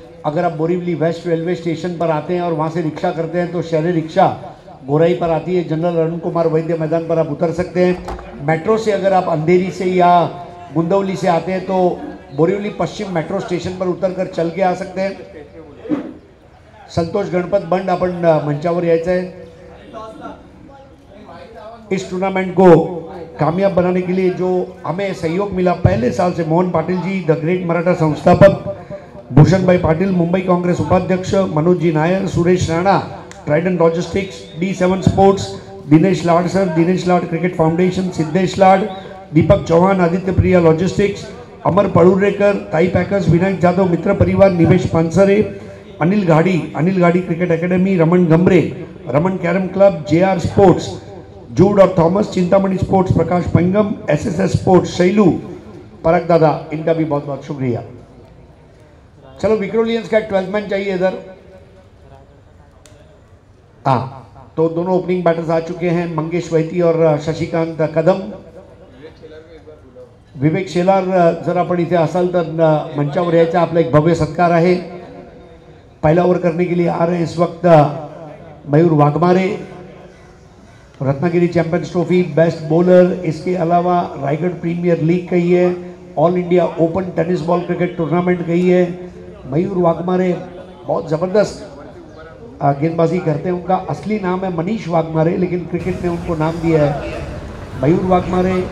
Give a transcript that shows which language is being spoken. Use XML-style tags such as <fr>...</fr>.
<hi>अगर आप Borivali waste railway station पर आते हैं और वहाँ से रिक्शा करते हैं तो शहरी रिक्शा गोराई पर आती है, जनरल अरुण कुमार वैद्य मैदान पर आप उतर सकते हैं। मेट्रो से अगर आप अंधेरी से या गुंदौली से आते हैं तो बोरीवली पश्चिम मेट्रो स्टेशन पर उतर कर चल के आ सकते हैं।</hi> <mr>संतोष गणपत बंड अपन मंचावर यायचं आहे।</mr> <hi>इस टूर्नामेंट को कामयाब बनाने के लिए जो हमें सहयोग मिला पहले साल से, मोहन पाटिल जी द ग्रेट मराठा संस्थापक, भूषण भाई पाटिल मुंबई कांग्रेस उपाध्यक्ष, Manoj ji Nair, Suresh Rana Trident logistics, D7 sports, Dinesh लाड सर, दिनेश लाड क्रिकेट फाउंडेशन, सिद्धेश लाड, दीपक चौहान, आदित्य प्रिया लॉजिस्टिक्स, अमर पळुरेकर, ताई पॅकर्स, विनायक जाधव मित्र परिवार, निमेश पानसरे, अनिल घाडी क्रिकेट अकॅडमी, रमण गमरे, रमण कॅरम क्लब, JR स्पोर्ट्स, जूड और थॉमस, चिंतामणी स्पोर्ट्स, प्रकाश पंगम, SSS स्पोर्ट्स, शैलू परक दादा, इनका भी बहुत बहुत शुक्रिया। चलो विक्रोलियंस का 12 मैन चाहिए इधर। हाँ तो दोनों ओपनिंग बैटर्स आ चुके हैं, मंगेश वैती और शशिकांत कदम।</hi> <mr>विवेक शेलार जर आपण इथे असाल तर मंचावर यायचा, आपला एक भव्य सत्कार आहे।</mr> <hi>पहिला ओवर करने के लिए आ रहे इस वक्त मयूर Waghmare, Ratnagiri champions trophy best bowler, इसके अलावा रायगढ़ प्रीमियर लीग गई है, all India open tennis ball cricket tournament गई है। मयूर वाघमारे बहुत ज़बरदस्त गेंदबाजी करते हैं, उनका असली नाम है मनीष वाघमारे लेकिन क्रिकेट ने उनको नाम दिया है मयूर वाघमारे।</hi>